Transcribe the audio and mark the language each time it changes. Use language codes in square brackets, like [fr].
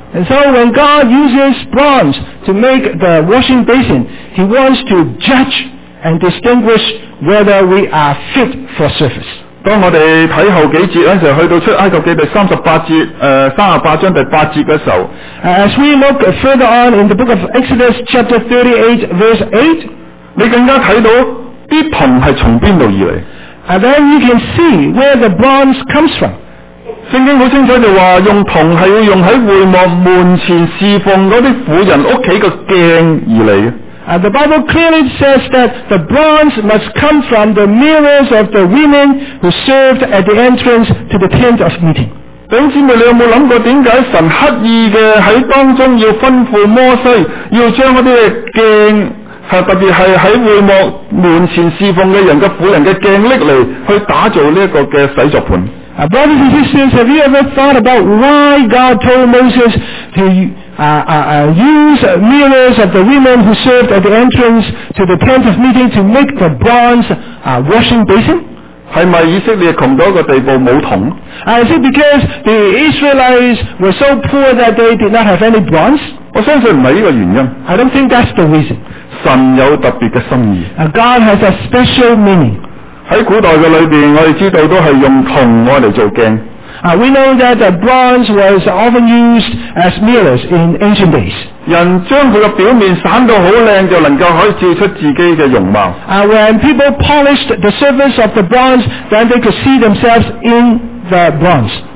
[en] And so when God uses bronze to make the washing basin, He wants to judge and distinguish whether we are fit for service. [zh] 当我们看后几节的时候,去到出埃及记第38章第8节的时候, [en] As we look further on in the book of Exodus chapter 38 verse 8, [zh] 你更加看到铜是从哪里来, [en] then you can see where the bronze comes from. [zh] 圣经很清楚地说,用铜是要用在会幕门前侍奉那些妇人家的镜而来。 [en] The Bible clearly says that the bronze must come from the mirrors of the women who served at the entrance to the tent of meeting. [zh] 弟兄姊妹,你有没有想过为什么神刻意地在当中要吩咐摩西,要将那些镜,特别是在会幕门前侍奉的人的妇人的镜拿来打造这个洗濯盆? [en] Brothers and sisters, have you ever thought about why God told Moses to use mirrors of the women who served at the entrance to the tent of meeting to make the bronze washing basin? [zh] 是不是以色列穷到一个地步没铜? [en] Is it because the Israelites were so poor that they did not have any bronze? [zh] 我相信不是这个原因。 [en] I don't think that's the reason. [zh] 神有特别的心意。 [en] God has a special meaning. [zh] 在古代的里面,我们知道都是用铜来做镜。 [en] We know that the bronze was often used as mirrors in ancient days. [zh] 人将它的表面散得很漂亮,就能够可以照出自己的容貌。 [en] When people polished the surface of the bronze, then they could see themselves in the bronze.